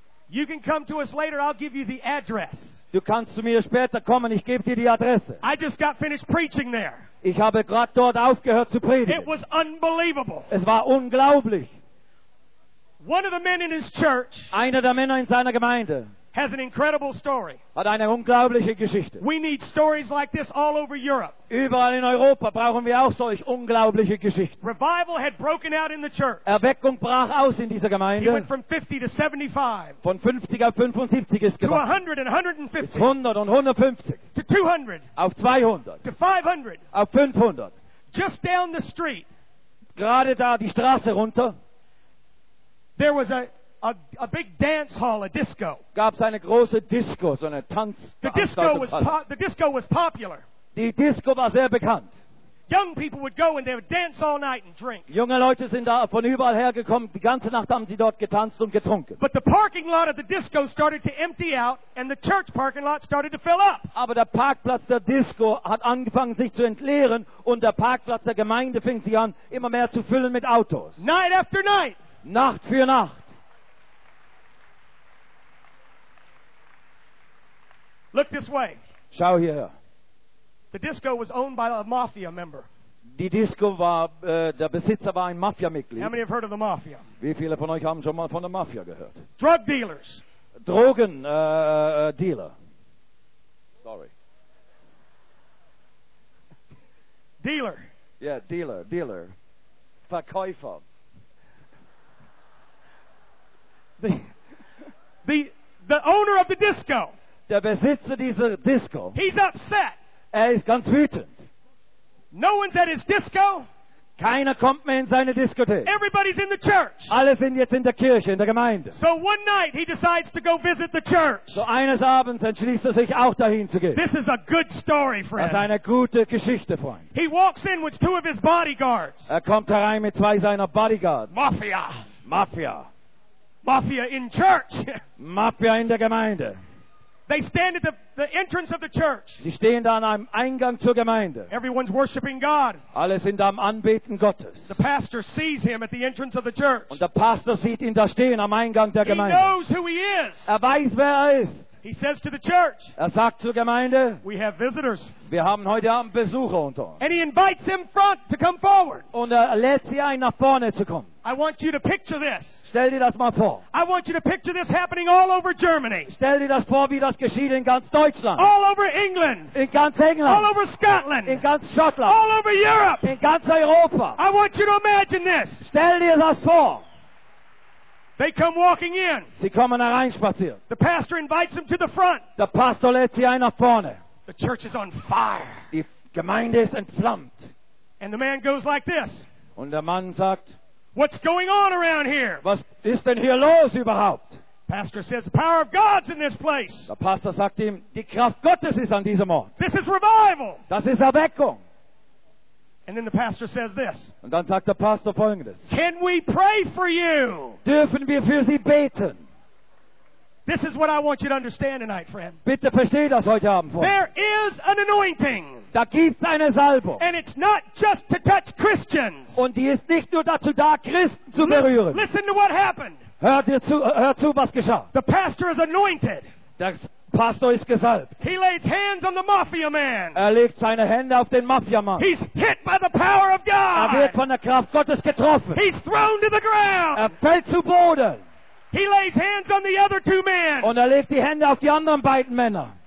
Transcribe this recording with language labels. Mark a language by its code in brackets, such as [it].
[en] You can come to us later, I'll give you the address. [de] Du kannst zu mir später kommen, ich gebe dir die Adresse. [en] I just got finished preaching there. [de] Ich habe gerade dort aufgehört zu predigen. [en] It was unbelievable. [de] Es war unglaublich. [en] One of the men in his church, [de] einer der Männer in seiner Gemeinde, [en] has an incredible story. [de] Hat eine unglaubliche Geschichte. [en] We need stories like this all over Europe. [de] Überall in Europa brauchen wir auch solch unglaubliche Geschichten. [en] Revival had broken out in the church. [de] Erweckung brach aus in dieser Gemeinde. [en] It went from 50 to 75. [de] Von 50 auf 75 ist gewachsen. [en] To 100 and 150. [de] Bis 100 und 150. [en] To 200. [de] Auf 200. [en] To 500. [de] Auf 500. [en] Just down the street. [de] Gerade da die Straße runter. [en] There was a big dance hall, a disco. [de] Gab's eine große Disco, so eine Tanz. [en] The disco was popular. [de] Die Disco war sehr bekannt. [en] Young people would go and they would dance all night and drink. [de] Junge Leute sind da von überall hergekommen. Die ganze Nacht haben sie dort getanzt und getrunken. [en] But the parking lot of the disco started to empty out, and the church parking lot started to fill up. [de] Aber der Parkplatz der Disco hat angefangen sich zu entleeren, und der Parkplatz der Gemeinde fing sich an immer mehr zu füllen mit Autos. [en] Night after night. [de] Nacht für Nacht. [en] Look this way. [de] Schau hier. [en] The disco was owned by a mafia member. [de] Die Disco war der Besitzer war ein Mafia-Mitglied. [en] How many have heard of the mafia? [de] Wie viele von euch haben schon mal von der Mafia gehört? [en] Drug dealers. [de] Drogen Dealer. Sorry. [en] Dealer. Yeah, dealer, dealer. [de] Verkäufer. [en] The owner of the disco. [de] Der Besitzer dieser Disco. [en] He's upset. [de] Ist ganz wütend. [en] No one's at his disco. [de] Keiner kommt mehr in seine Diskothek. [en] Everybody's in the church. [de] Alle sind jetzt in der Kirche, in der Gemeinde. [en] So one night he decides to go visit the church. [de] So eines Abends entschließt sich auch dahin zu gehen. [en] This is a good story, friend. [de] Das ist eine gute Geschichte, Freund. [en] He walks in with two of his bodyguards. [de] Kommt herein mit zwei seiner Bodyguards. [en] Mafia. [de] Mafia. [en] Mafia in church. [de] Mafia in der Gemeinde. [en] They stand at the entrance of the church. [de] Sie stehen da an einem Eingang zur Gemeinde. [en] Everyone's worshiping God. [de] Alle sind am Anbeten Gottes. [en] The pastor sees him at the entrance of the church. [de] Und der Pastor sieht ihn da stehen am Eingang der Gemeinde. [en] He knows who he is. [de] Er weiß, wer er ist. [en] He says to the church. [de] Er sagt zur Gemeinde. [en] We have visitors. [de] Wir haben heute Abend Besucher unter uns. [en] And he invites them front to come forward. [de] Und lädt sie ein, nach vorne zu kommen. [en] I want you to picture this. [de] Stell dir das mal vor. [en] I want you to picture this happening all over Germany. [de] Stell dir das vor, wie das geschieht in ganz Deutschland. [en] All over England. [de] In ganz England. [en] All over Scotland. [de] In ganz Schottland. [en] All over Europe. [de] In ganz Europa. [en] I want you to imagine this. [de] Stell dir das vor. [en] They come walking in. [de] Sie kommen hereinspaziert. [en] The pastor invites them to the front. [de] Der Pastor lädt sie ein nach vorne. [en] The church is on fire. [de] Die Gemeinde ist entflammt. [en] And the man goes like this. [de] Und der Mann sagt, [en] what's going on around here? [de] Was ist denn hier los überhaupt? [en] Pastor says, the power of God's in this place. [de] Der Pastor sagt ihm, die Kraft Gottes ist an diesem Ort. [en] This is revival. [de] Das ist Erweckung. [en] And then the pastor says this. [de] Und dann sagt der Pastor folgendes. [en] Can we pray for you? [de] Dürfen wir für Sie beten? [en] This is what I want you to understand tonight, friend. [de] Bitte versteht das heute Abend, Freund. [en] There is an anointing. [de] Da gibt's eine Salbung. [en] And it's not just to touch Christians. [de] Und die ist nicht nur dazu da, Christen zu berühren. [en] Listen to what happened. [de] Hör zu, was geschah. [en] The pastor is anointed. [de] Pastor ist gesalbt. [en] He lays hands on the mafia man. [de] Er legt seine Hände auf den Mafiamann. [en] He's hit by the power of God. [de] Er wird von der Kraft Gottes getroffen. [en] He's thrown to the ground. [de] Er fällt zu Boden. [en] He lays hands on the other two men. [de] Und er legt die Hände auf die anderen beiden Männer.